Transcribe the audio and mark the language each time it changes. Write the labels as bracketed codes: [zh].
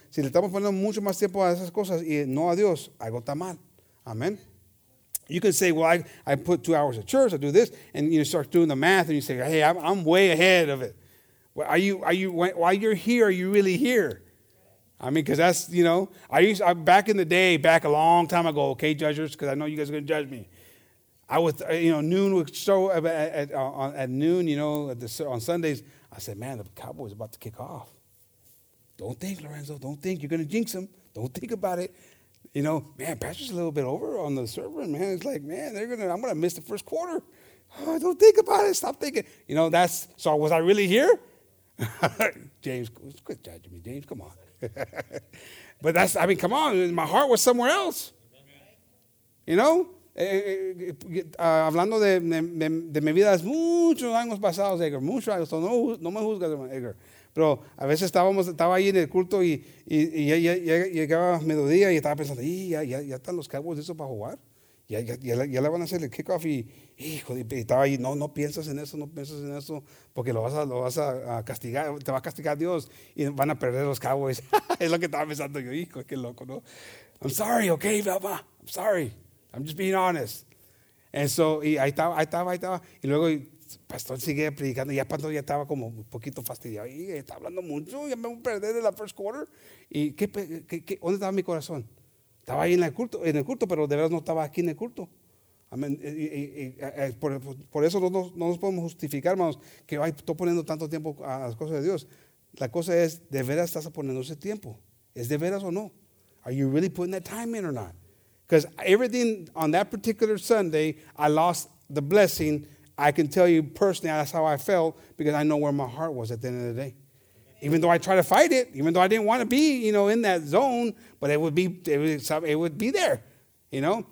[es] Si le estamos poniendo mucho más tiempo a esas cosas y no a Dios, algo está mal. [en] Amen. You can say, well, I put 2 hours at church, I do this, and you start doing the math and you say, hey, I'm way ahead of it. Well, are you while you're here, are you really here? I mean, because that's, you know, I back in the day, back a long time ago, okay, judges, because I know you guys are going to judge me. I was, you know, noon would show at noon, you know, on Sundays. I said, man, the Cowboys about to kick off. Don't think, Lorenzo. Don't think. You're going to jinx them. Don't think about it. You know, man, pastor's a little bit over on the server, man. It's like, man, I'm going to miss the first quarter. Oh, don't think about it. Stop thinking. You know, that's, so was I really here? James, quit judging me. James, come on. But that's, I mean, come on. My heart was somewhere else. You know? [es] Hablando de mi vida, es muchos años pasados, Edgar. Muchos años. No me juzgas, Edgar. Pero a veces estaba ahí en el culto y ya llegaba mediodía y estaba pensando, ya están los Cowboys listos para jugar. Ya le van a hacer el kickoff y, hijo, y estaba ahí, no piensas en eso, no piensas en eso, porque lo vas a castigar, te va a castigar Dios y van a perder los Cowboys. Es lo que estaba pensando yo, hijo, qué loco, ¿no? [en] I'm sorry, okay, papá, I'm sorry. I'm just being honest. And so, [es] y ahí estaba. Y luego el pastor sigue predicando. Ya cuando ya estaba como un poquito fastidiado. Y está hablando mucho. Ya me voy a perder en la [en] first quarter. [es] ¿Y qué, dónde estaba mi corazón? Estaba ahí en el culto, pero de verdad no estaba aquí en el culto. Amén. Por eso no nos podemos justificar, hermanos, que estoy poniendo tanto tiempo a las cosas de Dios. La cosa es, ¿de veras estás poniendo ese tiempo? ¿Es de veras o no? [en] Are you really putting that time in or not? Because everything on that particular Sunday, I lost the blessing. I can tell you personally, that's how I felt, because I know where my heart was at the end of the day. Even though I tried to fight it, even though I didn't want to be, you know, in that zone, but it would be there, you know.